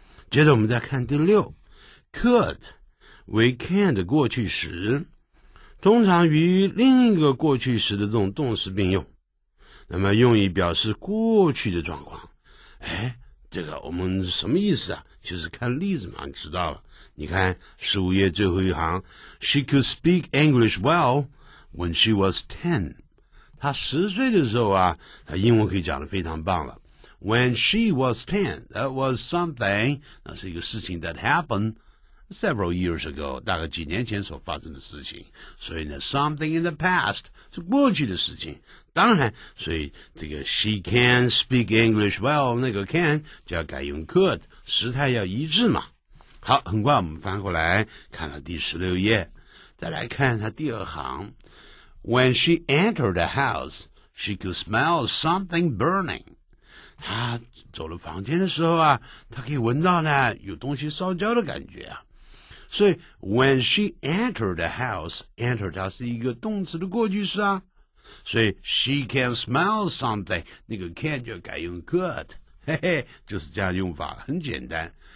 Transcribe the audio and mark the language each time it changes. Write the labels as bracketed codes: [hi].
[zh] 接着我们再看第六 ，could 为 can 的过去时，通常与另一个过去时的这种动词并用，那么用以表示过去的状况。哎，这个我们什么意思啊？就是看例子嘛，你知道了。你看15页最后一行 ， [en] She could speak English well when she was 10。 [zh] 他十岁的时候啊，他英文可以讲得非常棒了。 [en] When she was 10, that was something, [zh] 那是一个事情 [en] that happened several years ago, [zh] 大概几年前所发生的事情。所以呢 , [en] something in the past, [zh] 是过去的事情。当然，所以这个 [en] she can speak English well, [zh] 那个 can, 就要改用 could, 时态要一致嘛。好，很快我们翻过来看了第16页，再来看他第二行。 [en] When she entered the house, she could smell something burning. [zh] 她走了房间的时候啊，她可以闻到呢，有东西烧焦的感觉啊。所以 , [en] when she entered the house, [zh] enter 它是一个动词的过去式啊。所以 , [en] she can smell something, [zh] 那个 can 就改用 could, 嘿嘿，就是这样用法，很简单。